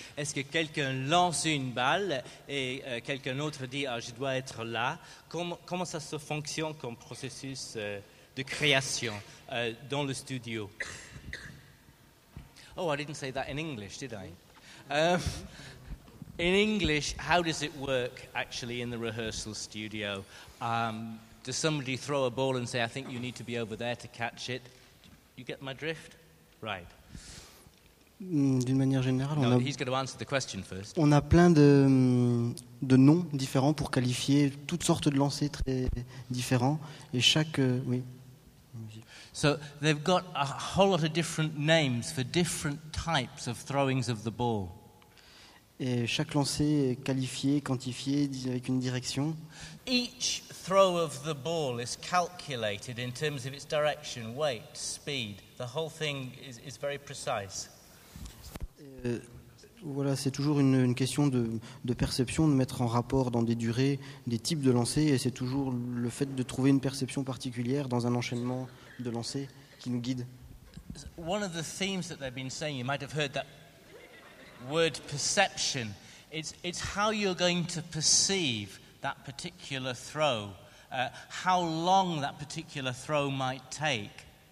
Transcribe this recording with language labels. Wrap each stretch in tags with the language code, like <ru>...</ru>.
<fr>Est-ce que quelqu'un lance une balle et quelqu'un autre dit ah, « je dois être là » Comment ça se fonctionne comme processus de création dans le studio?</fr> <en>Oh, I didn't say that in English, did I? In English, how does it work actually in the rehearsal studio? Does somebody throw a ball and say « I think you need to be over there to catch it » You get my drift? Right.</en> <fr>D'une manière générale,</fr> <en>he's going to answer the question first.</en> <fr>On a plein de noms différents pour qualifier toutes sortes de lancers très différents et chaque oui.</fr> <en>So they've got a whole lot of different names for different types of throwings of the ball.</en> <fr>Et chaque lancer est qualifié, quantifié avec une direction.</fr> <en>Each throw of the ball is calculated in terms of its direction, weight, speed. The whole thing is very precise.</en> <fr>Voilà, c'est toujours une question de perception, de mettre en rapport dans des durées des types de lancers, et c'est toujours le fait de trouver une perception particulière dans un enchaînement de lancers qui nous guide.</fr> <en>One of the themes that they've been saying, you might have heard that word perception. It's how you're going to perceive that particular throw, how long that particular throw might take.</en>